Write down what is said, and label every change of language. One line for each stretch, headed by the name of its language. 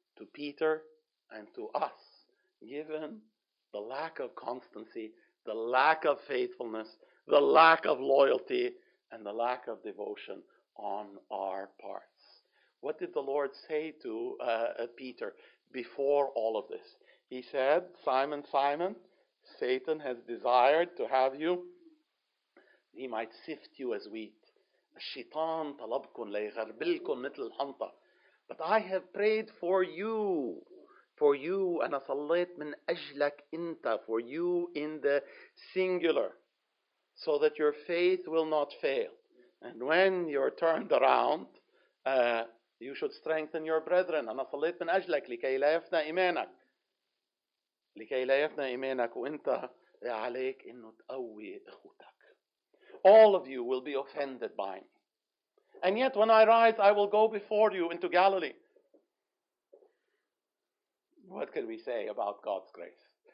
English: To Peter and to us, given the lack of constancy, the lack of faithfulness, the lack of loyalty, and the lack of devotion on our parts. What did the Lord say to Peter before all of this? He said, Simon, Simon, Satan has desired to have you. He might sift you as wheat.
Arabic: الشيطان طلبكم ليغربلكم مثل الحنطة.
English: But I have prayed for you,
Arabic: أنا صليت من أجلك أنت,
English: for you in the singular, so that your faith will not fail. And when you're turned around, you should strengthen your brethren.
Arabic: أنا صليت من أجلك لكي لا يفنى إيمانك. لكي لا يفنى إيمانك وأنت عليك إنه تقوي إخوتك.
English: All of you will be offended by me. And yet when I rise, I will go before you into Galilee. What can we say about God's grace?